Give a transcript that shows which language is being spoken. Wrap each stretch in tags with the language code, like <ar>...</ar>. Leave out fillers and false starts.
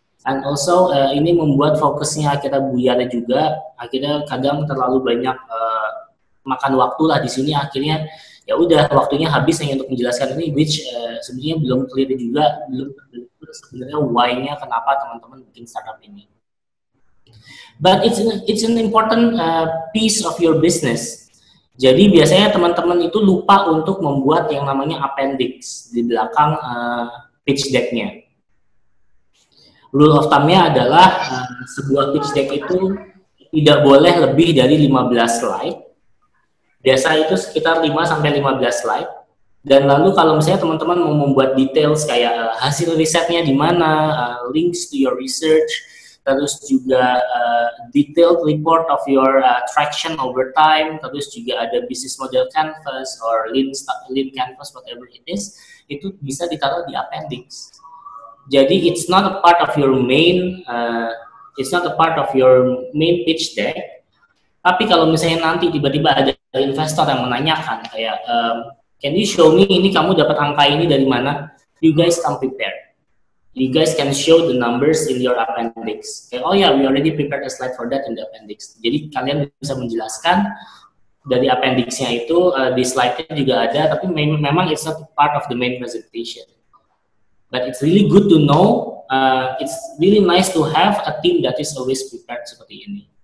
<en>And also</en> <id>ini membuat fokusnya akhirnya buyar juga, akhirnya kadang terlalu banyak makan waktu lah di sini, akhirnya ya udah waktunya habis hanya untuk menjelaskan ini, which sebenarnya belum clear juga, belum sebenarnya why-nya kenapa teman-teman bikin startup ini.</id> <en>But it's an important piece of your business.</en> <id>Jadi biasanya teman-teman itu lupa untuk membuat yang namanya appendix di belakang pitch deck-nya. Rule of thumb-nya adalah sebuah pitch deck itu tidak boleh lebih dari 15 slide. Biasa itu sekitar 5 sampai 15 slide. Dan lalu kalau misalnya teman-teman mau membuat details kayak hasil risetnya di mana,</id> <en>links to your research,</en> <id>terus juga</id> <en>detailed report of your traction over time,</en> <id>terus juga ada</id> <en>business model canvas or lean canvas, whatever it is,</en> <id>itu bisa ditaruh di appendix. Jadi</id> <en>it's not a part of your main pitch deck.</en> <id>Tapi kalau misalnya nanti tiba-tiba ada investor yang menanyakan kayak</id> <en>can you show me</en> <id>ini kamu dapat angka ini dari mana?</id> <en>You guys come prepare. You guys can show the numbers in your appendix. Okay, oh yeah, we already prepared a slide for that in the appendix.</en> <id>Jadi kalian bisa menjelaskan dari appendix-nya itu di slide-nya juga ada, tapi memang</id> <en>it's not part of the main presentation. But it's really good to know, it's really nice to have a team that is always prepared</en> <id>seperti ini.</id>